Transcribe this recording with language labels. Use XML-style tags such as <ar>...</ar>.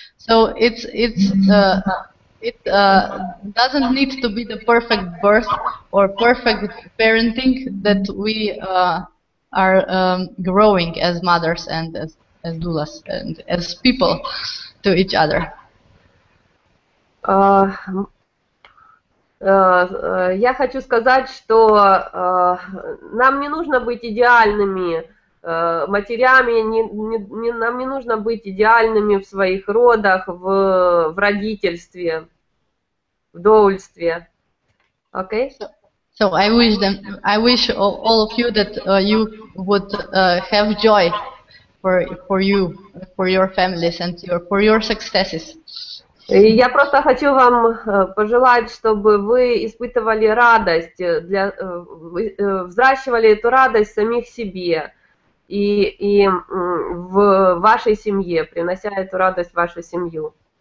<en>So it doesn't need to be the perfect birth or perfect parenting that we are growing as mothers and as doulas and as people to each other.</en> <ru>Я хочу сказать, что нам не нужно быть идеальными матерями, нам не нужно быть идеальными в своих родах, в родительстве, в доульстве.</ru> <en>Okay? So I wish all of you that you would have joy for your families and for your successes.</en> <ru>И я просто хочу вам пожелать, чтобы вы испытывали радость, взращивали эту радость в самих себе и в вашей семье, принося эту радость в вашу семью.</ru>